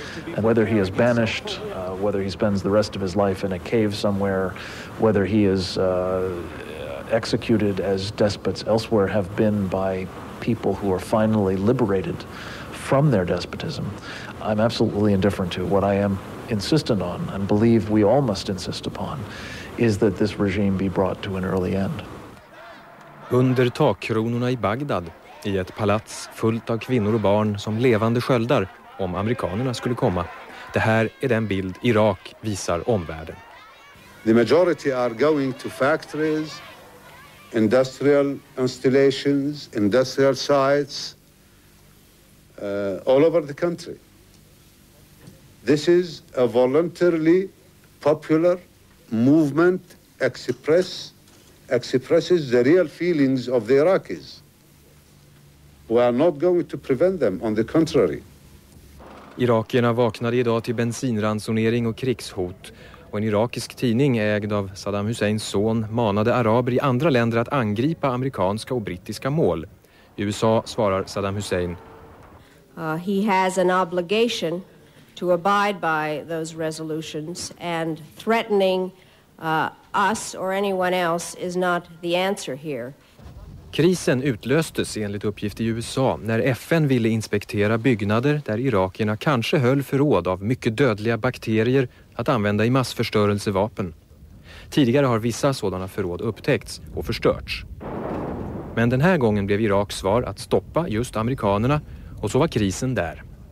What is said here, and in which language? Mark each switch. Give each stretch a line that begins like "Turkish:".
English: And whether he is banished, whether he spends the rest of his life in a cave somewhere, whether he is executed as despots elsewhere have been by people who are finally liberated from their despotism, I'm absolutely indifferent to. What I am insistent on, and believe we all must insist upon, is that this regime be brought to an early end.
Swedish: Under takkronorna i Bagdad, i ett palats fullt av kvinnor och barn som levande sköldar om amerikanerna skulle komma. Det här är den bild Irak visar omvärlden.
English: The majority are going to factories, industrial installations, industrial sites all over the country. This is a voluntarily popular movement expresses the real feelings of the Iraqis. We are not going to prevent them, on the contrary.
Swedish: Irakierna vaknade idag till bensinransonering och krigshot. Och en irakisk tidning ägd av Saddam Husseins son manade araber i andra länder att angripa amerikanska och brittiska mål. I USA svarar Saddam Hussein.
English: He has an obligation to abide by those resolutions, and threatening us or anyone else is not the answer here.
Swedish: Krisen utlöstes enligt uppgift i USA när FN ville inspektera byggnader där irakierna kanske höll förråd av mycket dödliga bakterier att använda i massförstörelsevapen. Tidigare har vissa sådana förråd upptäckts och förstörts. Men den här gången blev Iraks svar att stoppa just amerikanerna, och så var krisen där.